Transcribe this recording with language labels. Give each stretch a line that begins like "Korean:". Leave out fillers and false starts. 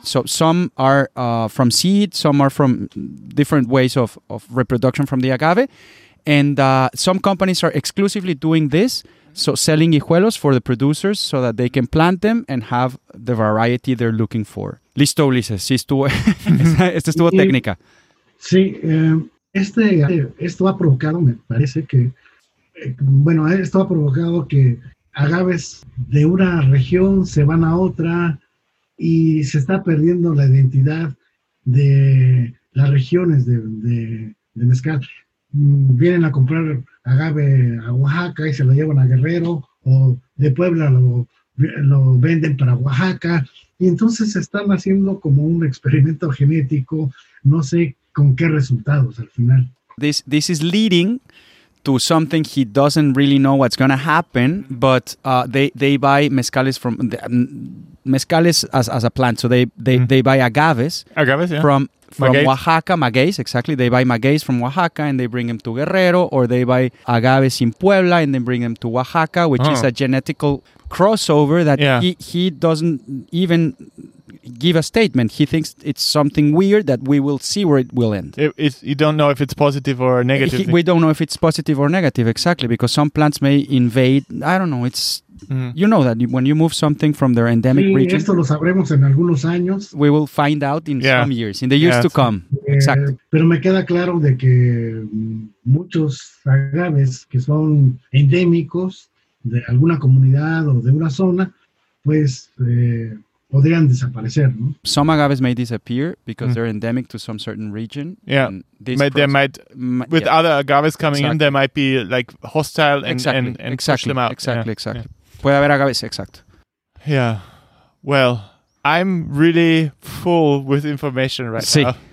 English: So some are from seed, some are from different ways of reproduction from the agave. And some companies are exclusively doing this. So selling hijuelos for the producers so that they can plant them and have the variety they're looking for.
Spanish: Listo, Ulises. Sí, estuvo. Esta estuvo técnica. Sí, esto ha provocado, me parece que, bueno, esto ha provocado que agaves de una región se van a otra y se está perdiendo la identidad de las regiones de mezcal. Vienen a comprar agave a Oaxaca y se lo llevan a Guerrero, o de Puebla lo venden para Oaxaca, y entonces están haciendo como un experimento genético, no sé con qué resultados al final.
English: This is leading to something he doesn't really know what's going to happen, but they buy mezcales from mezcales as a plant, so they buy agaves yeah. from Magueys. Oaxaca, magueys, exactly. They buy magueys from Oaxaca and they bring them to Guerrero, or they buy agaves in Puebla and then bring them to Oaxaca, which is a genetical crossover that he doesn't even give a statement. He thinks it's something weird that we will see where it will end. You don't know if it's positive or negative. We don't know if it's positive or negative, exactly, because some plants may invade. I don't know. It's you know that when you move something from their endemic region.
Spanish: Esto lo sabremos en algunos años.
English: We will find out in some years, in the years to come. Exactly.
Spanish: Pero me queda claro de que muchos agaves que son endémicos de alguna comunidad o de una zona, pues podrían desaparecer, ¿no?
English: Some agaves may disappear because they're endemic to some certain region. Yeah. And this they might, with other agaves coming in, they might be like hostile and push them out. Exactly, exactly.
Spanish: Puede haber agaves, exacto.
English: Yeah. Well, I'm really full with information right now.